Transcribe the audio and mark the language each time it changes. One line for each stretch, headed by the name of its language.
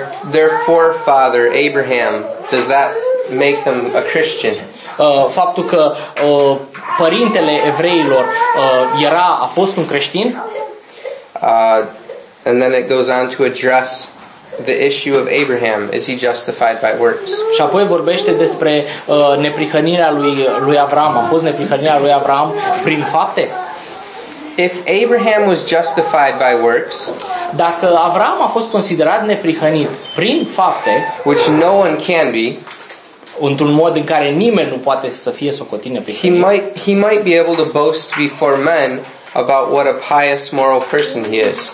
English: Their forefather Abraham, does that make them a Christian?
Romanian: Faptul că părintele evreilor a fost un creștin.
English: And then it goes on to address the issue of Abraham. Is he justified by works?
Romanian: Și apoi vorbește despre neprihănirea lui Avraam. A fost neprihănirea lui Avraam prin fapte?
English: If Abraham was justified by works,
Romanian: dacă Avraam a fost considerat neprihănit prin fapte,
English: which no one can be,
Romanian: într-un mod în care nimeni nu poate să fie socotit neprihănit,
English: he might be able to boast before men about what a pious moral person he is.